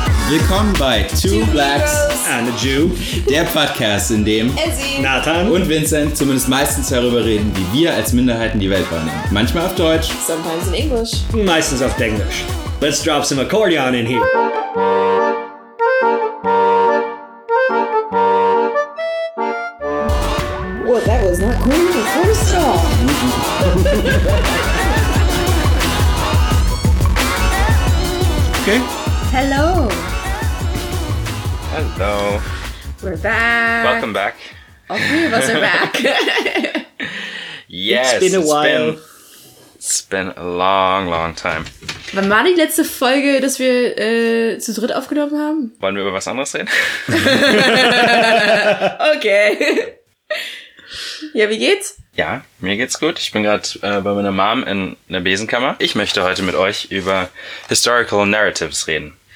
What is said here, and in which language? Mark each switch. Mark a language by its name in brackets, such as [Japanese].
[German] Willkommen bei Two Blacks [English] and a Jew, [German] der Podcast, in dem Ezzie, Nathan und Vincent zumindest meistens darüber reden, wie wir als Minderheiten die Welt wahrnehmen. Manchmal auf Deutsch, [English] sometimes in English, [German] meistens auf Englisch. [English] Let's drop some accordion in here. What, that was not cool the first time. Okay. Hello. Hello. We're back. Welcome back. All three of us are back. Yes. It's been a while. It's been a long, long time. [German] Wann war die letzte Folge, dass wir zu dritt aufgenommen haben? Wollen wir über was anderes reden? Okay. Ja, wie geht's? Ja, mir geht's gut. Ich bin gerade bei meiner Mom in der Besenkammer. Ich möchte heute mit euch über [English] Historical Narratives [German] reden.